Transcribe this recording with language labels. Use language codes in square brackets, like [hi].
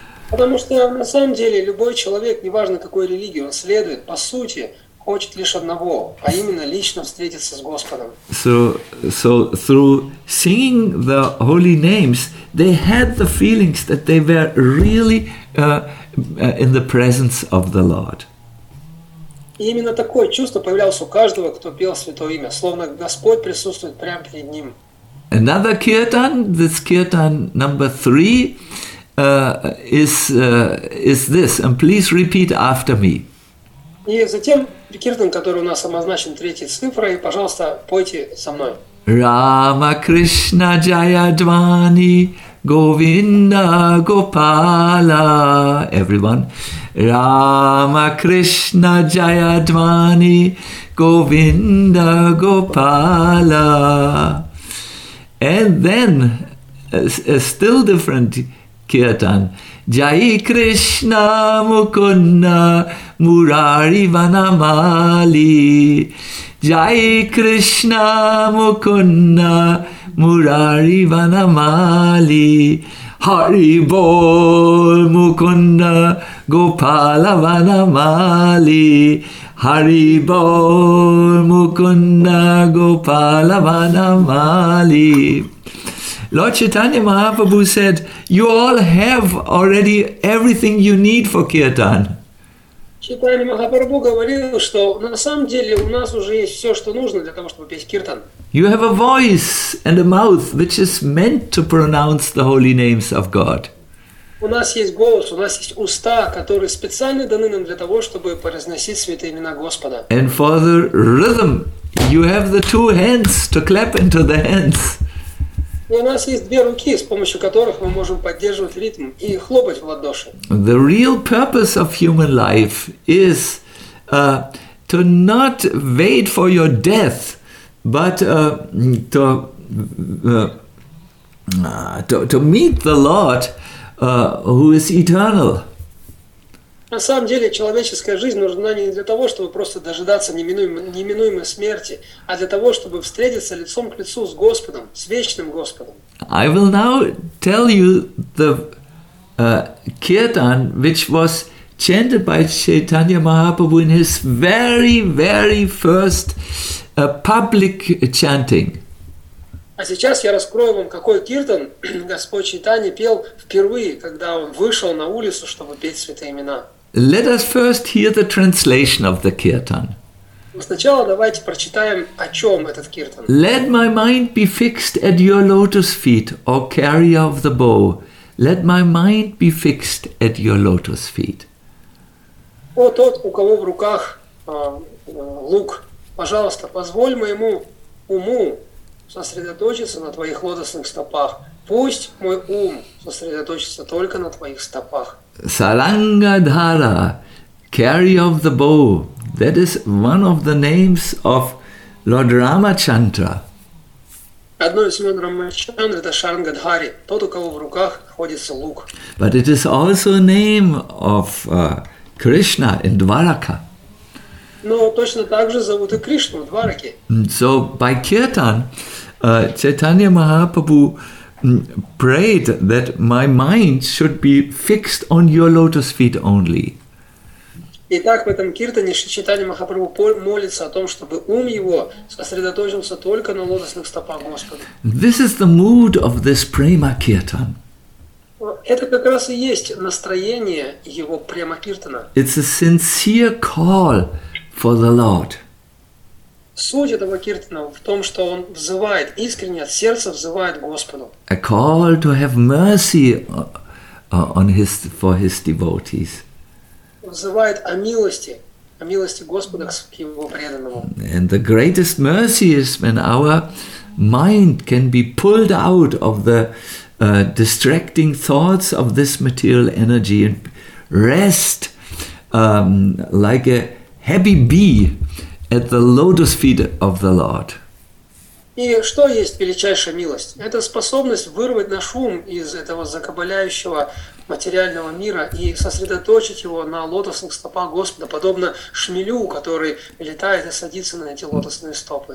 [ru] Потому что на самом деле любой человек, неважно какой религии он следует, по сути хочет лишь одного, а именно лично встретиться с Господом. [en] So through singing the holy names, they had the feelings that they were really in the presence of the Lord. [ru] И именно такое чувство появлялось у каждого, кто пел святое имя, словно Господь присутствует прямо перед ним. [en] Another kirtan, this kirtan number 3. Is this, and please repeat after me. [ru] И затем киртан, который у нас обозначен третьей цифрой, пожалуйста, пойте со мной. [sa] Рама Кришна Джая Двани Говинда Гопала. [en] Everyone. [sa] Рама Кришна Джая Двани Говинда Гопала. [en] And then, a still different [sa] Kirtan. Jai Krishna Mukunda Murari Vanamali. Jai Krishna Mukunda Murari Vanamali. Hari Bol Mukunda Gopala Vanamali. Hari Bol Mukunda Gopala Vanamali. [en] Lord Chaitanya Mahaprabhu said, you all have already everything you need for kirtan. [ru] Chaitanya Mahaprabhu говорил, что на самом деле у нас уже есть все, что нужно для того, чтобы петь киртан. [en] You have a voice and a mouth which is meant to pronounce the holy names of God. [ru] У нас есть голос, у нас есть уста, которые специально даны нам для того, чтобы произносить святые имена Господа. [en] And for the rhythm, you have the two hands to clap into the hands. [ru] И у нас есть две руки, с помощью которых мы можем поддерживать ритм и хлопать в ладоши. [en] The real purpose of human life is to not wait for your death, but to meet the Lord who is eternal. [ru] На самом деле, человеческая жизнь нужна не для того, чтобы просто дожидаться неминуемой смерти, а для того, чтобы встретиться лицом к лицу с Господом, с вечным Господом. [en] I will now tell you the kirtan, which was chanted by Chaitanya Mahaprabhu in his very, very first public chanting. [ru] А сейчас я раскрою вам, какой киртан Господь Чайтанья пел впервые, когда он вышел на улицу, чтобы петь святые имена. [en] Let us first hear the translation of the kirtan. [ru] Сначала давайте прочитаем, о чем этот киртан. [en] Let my mind be fixed at your lotus feet, O carrier of the bow. Let my mind be fixed at your lotus feet. [ru] О тот, у кого в руках лук, пожалуйста, позволь моему уму сосредоточиться на твоих лотосных стопах. Пусть мой ум сосредоточится только на твоих стопах. [en] Sarangadhara, carrier of the bow, that is one of the names of Lord Ramachandra. [ru] Одно из имен Рамачандры – это Шарангадхари, тот, у кого в руках находится лук. [en] But it is also a name of Krishna in Dwaraka. [ru] Но точно так же зовут и Кришну в Двараке. [en] So by kirtan, Chaitanya Mahaprabhu prayed that my mind should be fixed on your lotus feet only. [ru] Итак, в этом киртане Шичитани Махапрабху молится о том, чтобы ум его сосредоточился только на лотосных стопах Господа. [en] This is the mood of this prema kirtan. [ru] Это как раз и есть настроение его према киртана. [en] It's a sincere call for the Lord. [ru] Суть этого киртана в том, что он взывает, искренне от сердца взывает Господу. [en] A call to have mercy on his, for his devotees. [ru] Взывает о милости Господа к его преданному. [en] And the greatest mercy is when our mind can be pulled out of the distracting thoughts of this material energy and rest like a happy bee at the lotus feet of the Lord. [ru] И что есть величайшая милость? Это способность вырвать наш ум из этого закабаляющего материального мира и сосредоточить его на лотосных стопах Господа, подобно шмелю, который летает и садится на эти лотосные стопы.